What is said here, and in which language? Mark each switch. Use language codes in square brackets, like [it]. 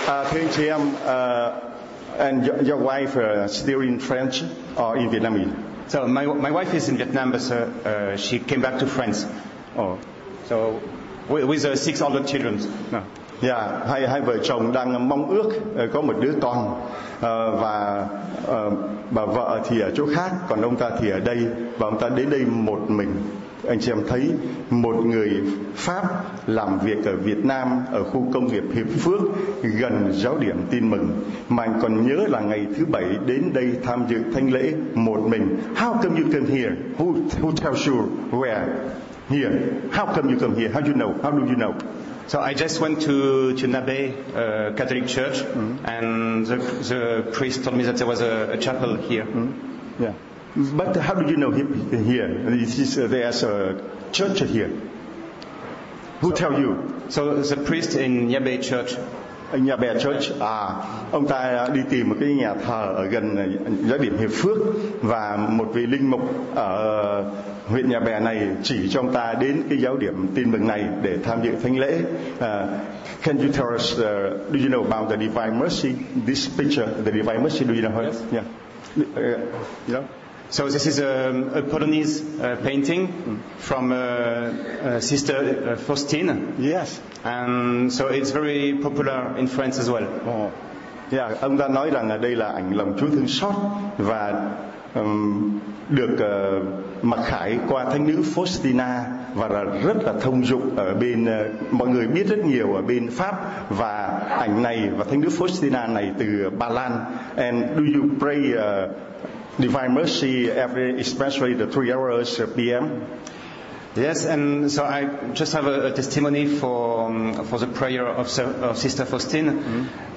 [vi] Thưa chị em, [en] and your wife still in French or in Vietnamese? So my wife is in Vietnam, but she came back to France. Oh. So with six other children. No. [vi] Yeah, hai vợ chồng đang mong ước có một đứa con, và bà vợ thì ở chỗ khác, còn ông ta thì ở đây, và ông ta đến đây một mình. Anh chị em thấy một người Pháp làm việc ở Việt Nam ở khu công nghiệp Hiệp Phước gần giáo điểm tin mừng, mà anh còn nhớ là ngày thứ bảy đến đây tham dự thánh lễ một mình. [en] How come you come here? Who tells you where here? How come you come here? How do you know? How do you know? So I just went to Nabe Catholic Church, and the priest told me that there was a chapel here. Mm-hmm. Yeah. But how do you know him here? There's a church here. Who so, tell you? So it's a priest in Yabe Church. [vi] Nhà bè church, à, ông ta đi tìm một cái nhà thờ ở gần giáo điểm Hiệp Phước và một vị linh mục ở huyện Nhà Bè này chỉ cho ông ta đến cái giáo điểm Tin Mừng này để tham dự thánh lễ. [en] Can you tell us, do you know about the Divine Mercy? This picture, the Divine Mercy, do you know? Yes. Yeah. You know? So this is a Polonese painting from Sister Faustine. Yes. And so it's very popular in France as well. Oh. [vi] Yeah, ông ta nói rằng là đây là ảnh lòng Chúa thương xót và được mặc khải qua thánh nữ Faustina và là rất là thông dụng ở bên mọi người biết rất nhiều ở bên Pháp và ảnh này và thánh nữ Faustina này từ Ba Lan. [en] And do you pray Divine Mercy every especially the 3 hours p.m.? Yes, and so I just have a testimony for the prayer of Sister Faustine. Mm-hmm.